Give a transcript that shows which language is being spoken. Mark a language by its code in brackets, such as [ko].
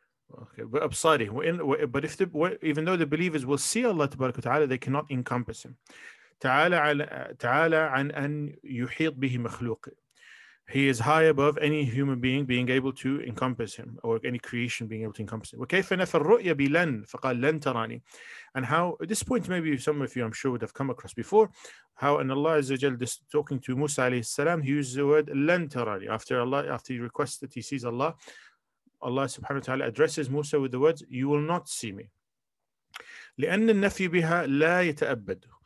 [en] Okay, but if the, even though the believers will see Allah تبارك وتعالى, they cannot encompass him. [ar] تعالى عن أن يحيط به مخلوق. [en] He is high above any human being able to encompass him, or any creation being able to encompass him. [ar] وكيف نفى الرؤية بلن فقال لن تراني. [en] And how, at this point maybe some of you I'm sure would have come across before, how in Allah عز وجل talking to Musa عليه السلام, he uses the word [ar] لن تراني. [en] After he requests that he sees Allah, Allah subhanahu wa ta'ala addresses Musa with the words, you will not see me. [ar] لِأَنَّ النَّفِي بِهَا لَا يَتَأَبَّدُ.